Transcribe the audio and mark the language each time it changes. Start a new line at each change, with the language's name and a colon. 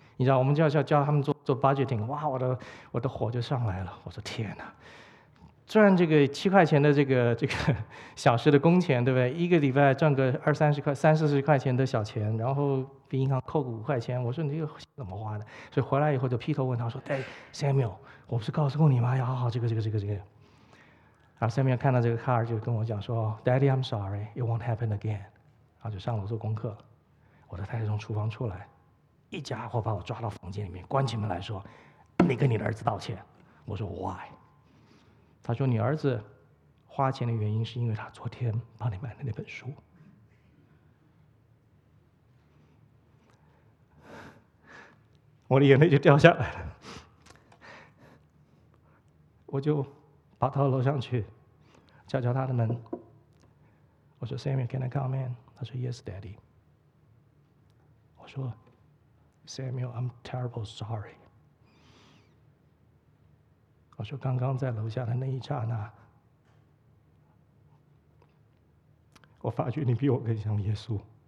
Chinese: 你知道我们就要教他们做 budgeting， 哇，我的火就上来了，我说天哪，赚这个7块钱的这个小时的工钱，对不对？一个礼拜赚个30-40块钱的小钱，然后比银行扣个5块钱，我说你这个怎么花的？所以回来以后就劈头问他说：“哎 ，Samuel， 我不是告诉过你吗？要好好这个。” 然后 Samuel 看到这个 card 就跟我讲说 ：
English: “Daddy， I'm sorry， it won't happen again。”
Chinese: 然后就上楼做功课。我的太太从厨房出来，一家伙把我抓到房间里面，关起门来说：“你跟你的儿子道歉。” 我说 ：“Why？” 他说：“你儿子花钱的原因是因为他昨天帮你买的那本书。” 我的眼泪就掉下来了，我就爬到楼上去敲敲他的门，我说 ：
English: “Samuel, can I come in？”
Chinese: 他说 ：
English: “Yes, Daddy。”
Chinese: 我说 ：
English: “Samuel, I'm terrible sorry。”
Chinese: 我说：“刚刚在楼下的那一刹那，我发觉你比我更像耶稣。”